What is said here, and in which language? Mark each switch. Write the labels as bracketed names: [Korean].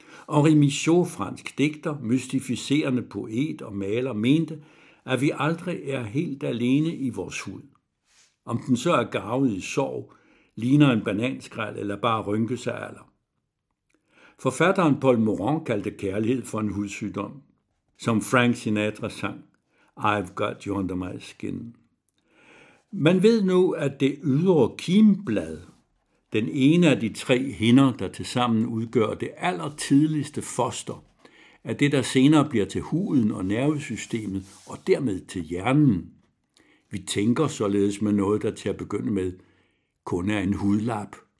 [Danish] Henri Michaux, fransk digter, mystificerende poet og maler, mente, at vi aldrig er helt alene i vores hud. Om den så er garvet i sorg, ligner en bananskræl eller bare rynke sig alder. Forfatteren Paul Morand kaldte kærlighed for en hudsygdom. Som Frank Sinatra sang, [English] I've got you under my skin. [Danish] Man ved nu, at det ydre kimblad, den ene af de tre hinder, der tilsammen udgør det allertidligste foster, er det, der senere bliver til huden og nervesystemet, og dermed til hjernen. Vi tænker således med noget, der til at begynde med kun er en hudlap.